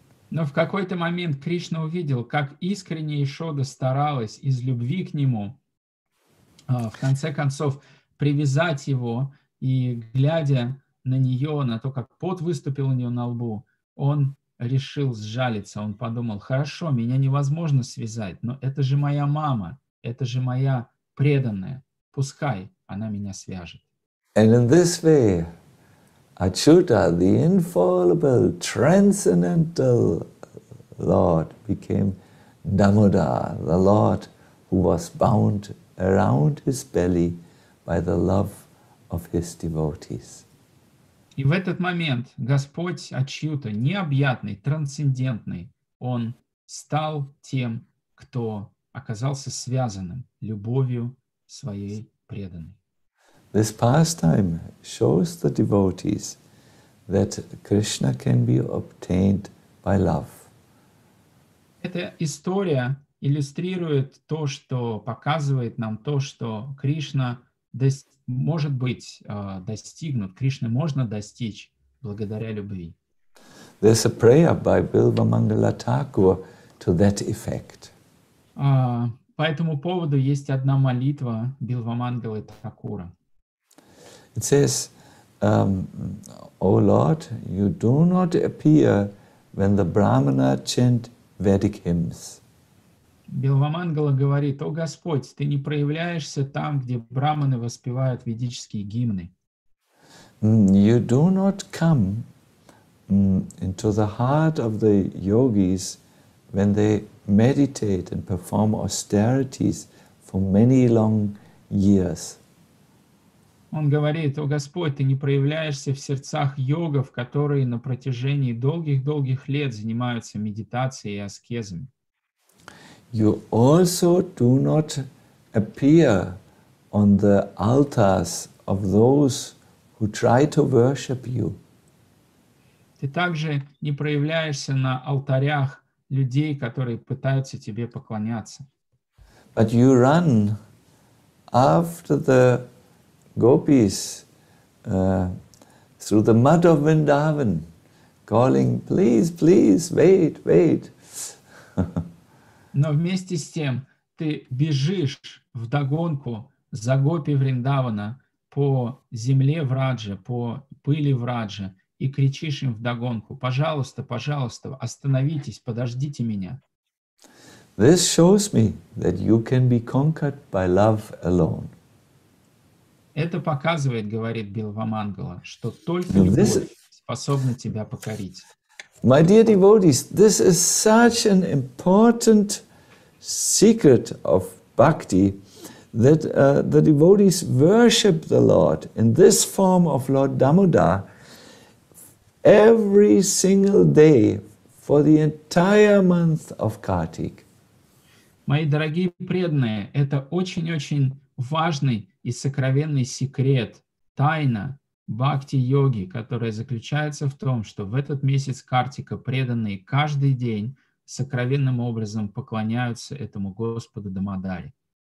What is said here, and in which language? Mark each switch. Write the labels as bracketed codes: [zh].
[ru] Но в какой-то момент Кришна увидел, как искренне Ишода старалась из любви к нему, в конце концов, привязать его, и глядя на нее, на то, как пот выступил у нее на лбу, он решил сжалиться, он подумал, хорошо, меня невозможно связать, но это же моя мама, это же моя преданная, пускай она меня свяжет. [en] And in this way... Achyuta, the infallible, transcendental Lord, became Damodar, the Lord who was bound around his belly by the love of his devotees. [ru] И в этот момент Господь Ачьюта, необъятный, трансцендентный, он стал тем, кто оказался связанным любовью своей преданной. [en] This pastime shows the devotees that Krishna can be obtained by love. [ru] Эта история иллюстрирует то, что показывает нам то, что Кришна может быть достигнут, Кришны можно достичь благодаря любви. [en] There's a prayer by Bilva Mangala Thakur to that effect. [ru] По этому поводу есть одна молитва Бильва Мангалы Такура. [en] It says, O Lord, you do not appear when the Brahmana chant Vedic hymns. [ru] Бильва Мангала говорит, О Господь, ты не проявляешься там, где брахманы воспевают ведические гимны. [en] You do not come into the heart of the yogis when they meditate and perform austerities for many long years. [ru] Он говорит, о Господь, ты не проявляешься в сердцах йогов, которые на протяжении долгих-долгих лет занимаются медитацией и аскезами. [en] You also do not appear on the altars of those who try to worship you. [ru] Ты также не проявляешься на алтарях людей, которые пытаются тебе поклоняться. [en] But you run after the Gopis through the mud of Vrindavan, calling, please, please, wait, wait. [ru] Но вместе с тем ты бежишь вдогонку за гопи Вриндавана по земле Враджа, по пыли Враджа, и кричишь им вдогонку, пожалуйста, пожалуйста, остановитесь, подождите меня. [en] This shows me that you can be conquered by love alone. [ru] Это показывает, говорит Бильва Мангала, что только любовь this... способна тебя покорить. [en] My dear devotees, this is such an important secret of bhakti that the devotees worship the Lord in this form of Lord Damodar every single day for the entire month of Kartik. [ru] Мои дорогие преданные, это очень-очень важный и сокровенный секрет, тайна бхакти-йоги, которая заключается в том, что в этот месяц Картика преданные каждый день сокровенным образом поклоняются этому Господу Дамодаре.